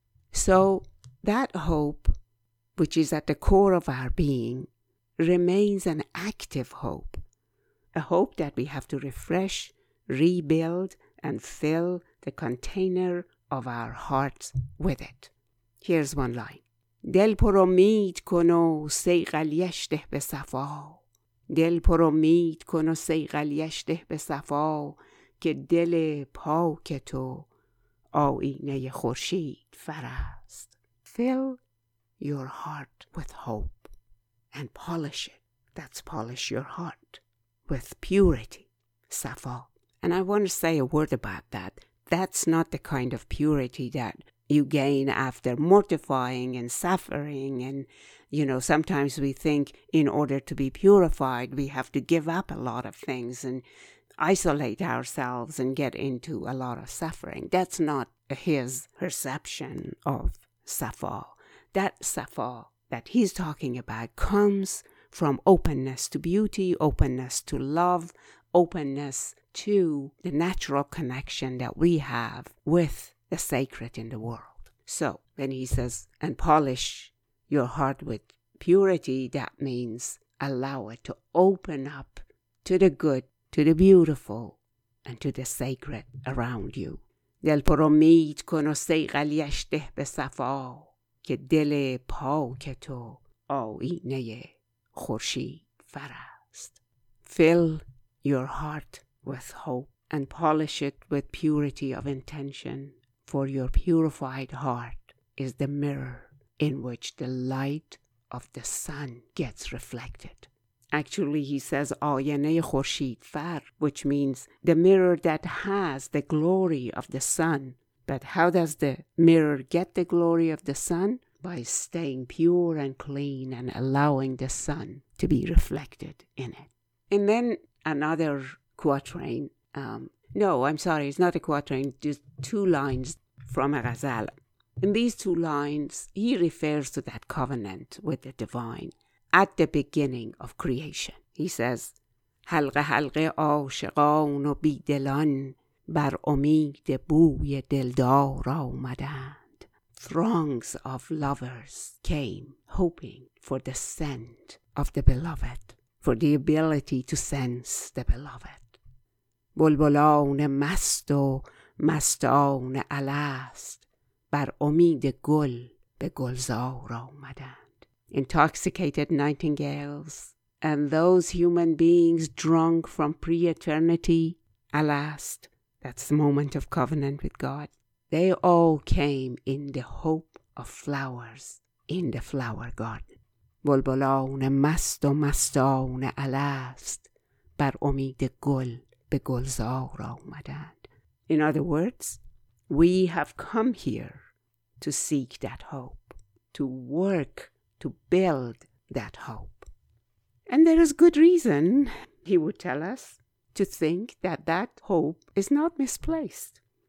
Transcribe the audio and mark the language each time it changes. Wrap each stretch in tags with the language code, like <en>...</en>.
<en>So that hope, which is at the core of our being, remains an active hope. A hope that we have to refresh, rebuild, and fill the container of our hearts with it. Here's one line.</en> <fa>دل پر امید کن و سیغلیش ده به صفا. دل پر امید کن و سیغلیش ده به صفا که دل پاک تو آینه خورشید فرست.</fa> <en>Fill your heart with hope and polish it. That's polish your heart. With purity, safa. And I want to say a word about that. That's not the kind of purity that you gain after mortifying and suffering. And, you know, sometimes we think in order to be purified, we have to give up a lot of things and isolate ourselves and get into a lot of suffering. That's not his perception of safa. That safa that he's talking about comes from openness to beauty, openness to love, openness to the natural connection that we have with the sacred in the world. So when he says, and polish your heart with purity, that means allow it to open up to the good, to the beautiful, and to the sacred around you.</en> <fa>دل پر امید کن و سیغلیش ده به صفا که دل پاک تو آینه خورشید فرست.</fa> <en>Fill your heart with hope and polish it with purity of intention, for your purified heart is the mirror in which the light of the sun gets reflected. Actually, he says</en> <fa>آینه خورشید فر,</fa> <en>which means the mirror that has the glory of the sun. But how does the mirror get the glory of the sun? By staying pure and clean and allowing the sun to be reflected in it. And then another quatrain. It's not a quatrain, just two lines from a ghazal. In these two lines, he refers to that covenant with the divine at the beginning of creation. He says,</en> <fa>حلقه حلقه عاشقان و بیدلان بر امید بوی دلدار آمدند.</fa> <en>Throngs of lovers came hoping for the scent of the beloved, for the ability to sense the beloved.</en> <fa>بلبلان مست و مستان الست بر امید گل به گلزار آمدند.</fa> <en>Intoxicated nightingales and those human beings drunk from pre-eternity, alast, that's the moment of covenant with God, they all came in the hope of flowers in the flower garden.</en> <fa>بلبلان مست و مستان الست بر امید گل به گلزار آمدند.</fa> <en>In other words, we have come here to seek that hope, to work, to build that hope. And there is good reason, he would tell us, to think that that hope is not misplaced.</en>